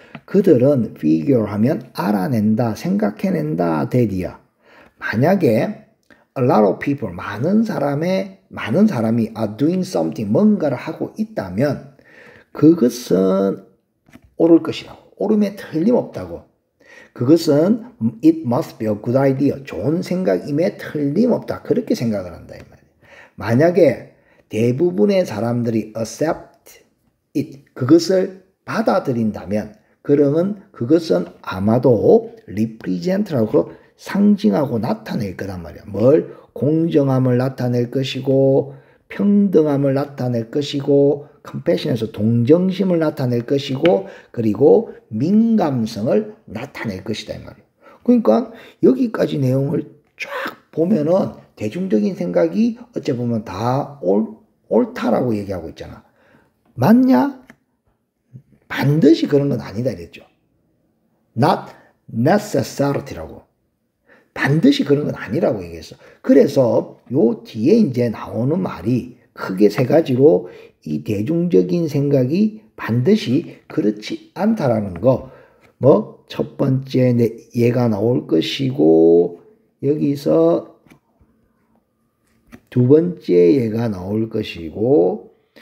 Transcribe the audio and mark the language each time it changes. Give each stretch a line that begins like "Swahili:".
Korean: 그들은 figure 하면 알아낸다, 생각해낸다, 대디야. 만약에
English: a lot of people,
Korean: 많은 사람이
English: are doing something,
Korean: 뭔가를 하고 있다면 그것은 오를 것이라고. 오름에 틀림없다고. 그것은
English: it must be a good idea.
Korean: 좋은 생각임에 틀림없다. 그렇게 생각을 한다 이 말이야. 만약에 대부분의 사람들이
English: accept it,
Korean: 그것을 받아들인다면 그러면 그것은 아마도 represent라고 상징하고 나타낼 거란 말이야. 뭘? 공정함을 나타낼 것이고 평등함을 나타낼 것이고 compassion에서 동정심을 나타낼 것이고 그리고 민감성을 나타낼 것이다 이 말이야. 그러니까 여기까지 내용을 쫙 보면은 대중적인 생각이 어찌 보면 다 옳다라고 얘기하고 있잖아. 맞냐? 반드시 그런 건 아니다 이랬죠.
English: Not necessarily라고.
Korean: 반드시 그런 건 아니라고 얘기했어. 그래서 요 뒤에 이제 나오는 말이 크게 세 가지로 이 대중적인 생각이 반드시 그렇지 않다라는 거. 뭐 첫 번째 얘가 나올 것이고 여기서 두 번째 얘가 나올 것이고